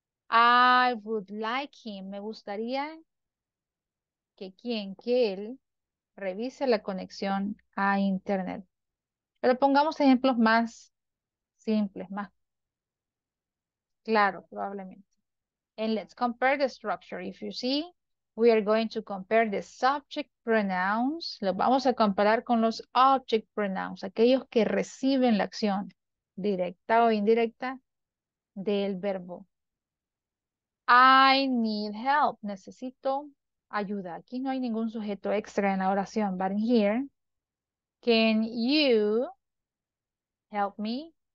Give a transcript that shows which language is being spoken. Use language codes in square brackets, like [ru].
[en] I would like him. [es] Me gustaría que quien, que él, revise la conexión a internet. Pero pongamos ejemplos más simples, más claros probablemente. [en] And let's compare the structure. If you see, we are going to compare the subject pronouns. [es] Lo vamos a comparar con los object pronouns, aquellos que reciben la acción directa o indirecta del verbo. [en] I need help. [es] Necesito ayuda. Aquí no hay ningún sujeto extra en la oración. [en] But in here, can you help me?